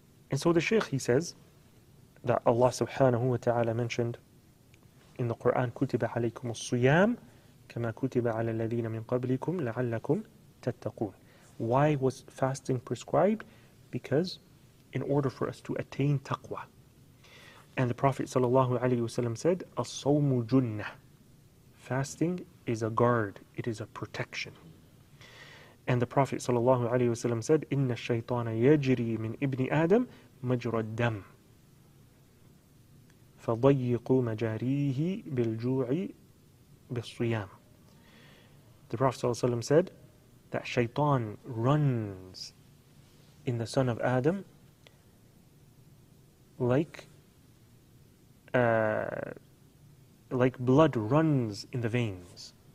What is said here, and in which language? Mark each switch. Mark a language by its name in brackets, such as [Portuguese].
[English] And so the Shaykh, he says that Allah subhanahu wa ta'ala mentioned in the Quran, [Arabic] كُتِبَ عَلَيْكُمُ الصِّيَامِ كَمَا كُتِبَ عَلَى الَّذِينَ مِنْ قَبْلِكُمْ لَعَلَّكُمْ تَتَّقُونَ. [English] Why was fasting prescribed? Because in order for us to attain taqwa. And the Prophet sallallahu alayhi wasallam said, [Arabic] الصوم جنة. [English] Fasting is a guard, it is a protection. And the Prophet sallallahu alayhi wasallam said, [Arabic] إن الشيطان يجري من ابن آدم مجرى الدم فضيقوا مجاريه بالجوع بالصيام. [English] The Prophet sallallahu alayhi wasallam said that shaitan runs in the son of Adam like blood runs in the veins.